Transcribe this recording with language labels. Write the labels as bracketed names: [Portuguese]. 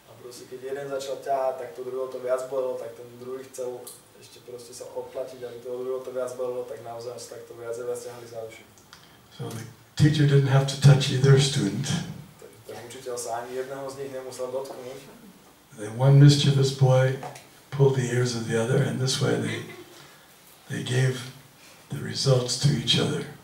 [Slovak] Keď jeden začal ťahať, tak to druhého to viac bolo, tak ten druhý chcel ešte proste sa odplatiť, aby toho druhého to viac bolo, tak naozaj sa takto viac a viac ťahali za uši. [English] So the teacher didn't have to touch either student. [Slovak] Tak učiteľ sa ani jedného z nich nemusel dotknúť. [English] The one mischievous boy pulled the ears of the other, and this way they gave the results to each other.